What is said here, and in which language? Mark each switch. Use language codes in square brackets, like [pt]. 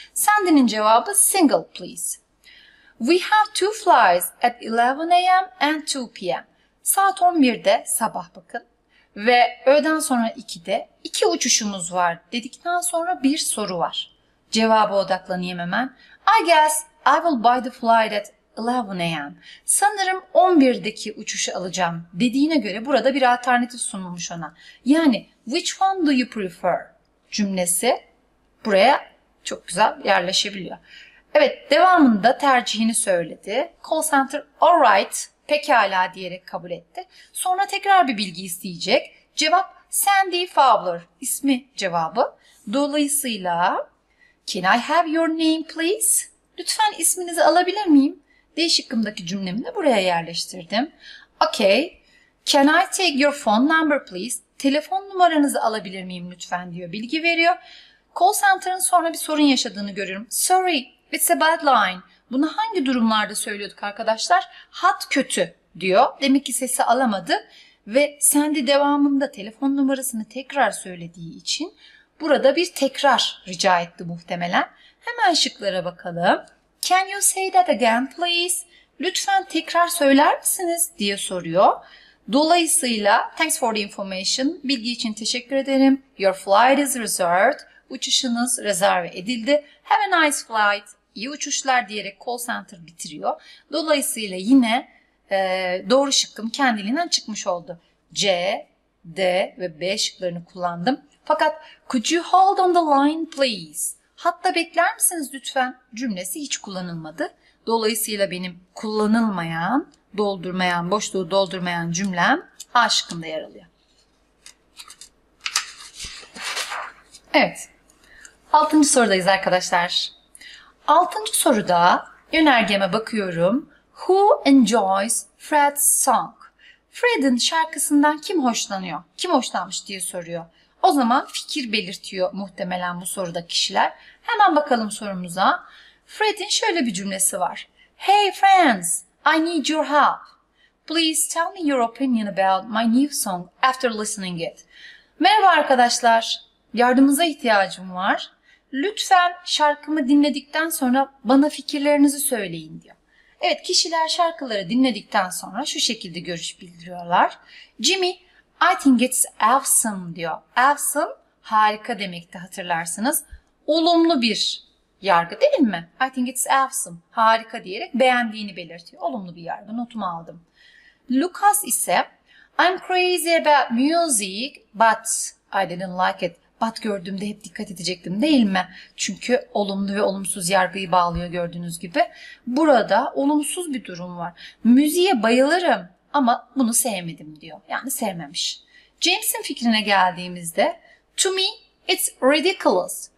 [tr] Sandy'nin cevabı [en] single please. We have two flights at 11 a.m. and 2 p.m. [tr] Saat 11'de sabah bakın. Ve öğleden sonra 2'de iki uçuşumuz var dedikten sonra bir soru var. Cevaba odaklanayım hemen. [en] I guess I will buy the flight at 11 a.m. [tr] Sanırım 11'deki uçuşu alacağım dediğine göre burada bir alternatif sunulmuş ona. Yani [en] which one do you prefer [tr] cümlesi buraya çok güzel yerleşebiliyor. Evet, devamında tercihini söyledi. Call center all right, pekala diyerek kabul etti. Sonra tekrar bir bilgi isteyecek. Cevap Sandy Fowler ismi cevabı. [en] Dolayısıyla can I have your name please? [tr] Lütfen isminizi alabilir miyim? D şıkkımdaki cümlemi de buraya yerleştirdim. [en] Okay, can I take your phone number please? [tr] Telefon numaranızı alabilir miyim lütfen diyor, bilgi veriyor. Call center'ın sonra bir sorun yaşadığını görüyorum. [en] Sorry, it's a bad line. [tr] Bunu hangi durumlarda söylüyorduk arkadaşlar? Hat kötü diyor. Demek ki sesi alamadı. Ve Sandy devamında telefon numarasını tekrar söylediği için burada bir tekrar rica etti muhtemelen. Hemen şıklara bakalım. [en] Can you say that again please? [tr] Lütfen tekrar söyler misiniz diye soruyor. Dolayısıyla [en] thanks for the information. [tr] Bilgi için teşekkür ederim. [en] Your flight is reserved. [tr] Uçuşunuz rezerve edildi. [en] Have a nice flight. [tr] İyi uçuşlar diyerek call center bitiriyor. Dolayısıyla yine doğru şıkkım kendiliğinden çıkmış oldu. C, D ve B şıklarını kullandım. [en] Fakat could you hold on the line please? [tr] Hatta bekler misiniz lütfen cümlesi hiç kullanılmadı. Dolayısıyla benim kullanılmayan, doldurmayan, boşluğu doldurmayan cümlem A şıkkında yer alıyor. Evet, 6. sorudayız arkadaşlar. 6. soruda yönergeme bakıyorum. [en] Who enjoys Fred's song? [tr] Fred'in şarkısından kim hoşlanıyor, kim hoşlanmış diye soruyor. O zaman fikir belirtiyor muhtemelen bu soruda kişiler. Hemen bakalım sorumuza. Fred'in şöyle bir cümlesi var. [en] Hey friends, I need your help. Please tell me your opinion about my new song after listening it. [tr] Merhaba arkadaşlar, yardımınıza ihtiyacım var. Lütfen şarkımı dinledikten sonra bana fikirlerinizi söyleyin diyor. Evet, kişiler şarkıları dinledikten sonra şu şekilde görüş bildiriyorlar. Jimmy, [en] I think it's awesome [tr] diyor. Awesome, harika demekti hatırlarsınız. Olumlu bir yargı değil mi? [en] I think it's awesome, [tr] harika diyerek beğendiğini belirtiyor. Olumlu bir yargı, notumu aldım. [en] Lucas ise, I'm crazy about music, but I didn't like it. [tr] But gördüğümde hep dikkat edecektim değil mi? Çünkü olumlu ve olumsuz yargıyı bağlıyor gördüğünüz gibi. Burada olumsuz bir durum var. Müziğe bayılırım ama bunu sevmedim diyor. Yani sevmemiş. James'in fikrine geldiğimizde, [en] to me it's ridiculous.